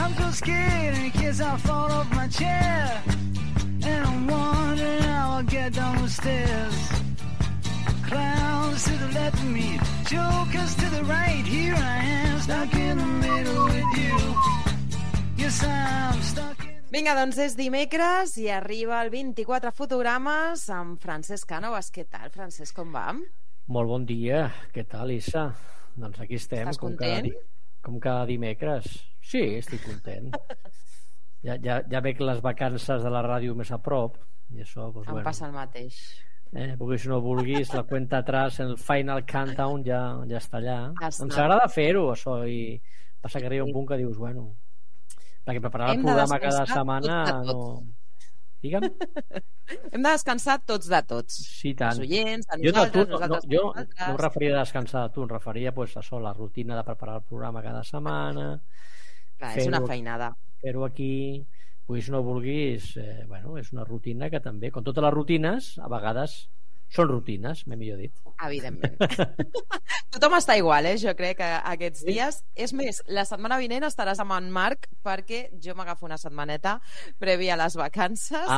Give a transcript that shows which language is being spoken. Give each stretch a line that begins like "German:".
English: scared in case I fall off my chair. And I'm wondering how I'll get down the stairs. Clowns to the left of me, jokers to the right. Here I am, stuck in the middle with you. Yes, I'm stuck.
Catalan: Vinga, doncs és dimecres i arriba el 24 Fotogrames amb Francesc Cànovas. Què tal, Francesc, com va? Molt bon dia, què tal, Issa? Doncs aquí estem. Estàs content? Com cada dimecres. Sí, estic content. ja veig les vacances de la ràdio més a prop. I això, doncs, em bueno, passa el mateix. Vulguis o no vulguis,
Spanish: la cuenta atrás,
Catalan: el
English: final countdown
Catalan: ja està allà. Ens agrada fer-ho, això, i passa que arriba un punt que dius, bueno... Perquè preparar el programa cada setmana... No... Digue'm. Hem de descansar tots de tots. Sí, tant. Els oients, de nosaltres, jo no em referia a descansar de tu, em referia pues, a la rutina de preparar el programa cada setmana. Clar, és una feinada. Fer-ho aquí, pues, no vulguis... bueno, és una rutina que també, com totes les rutines, a vegades... Són rutines, m'he millor dit. Evidentment. Tothom està igual, jo crec, aquests dies. És més, la setmana vinent estaràs amb en Marc perquè jo m'agafo una setmaneta prèvia a les vacances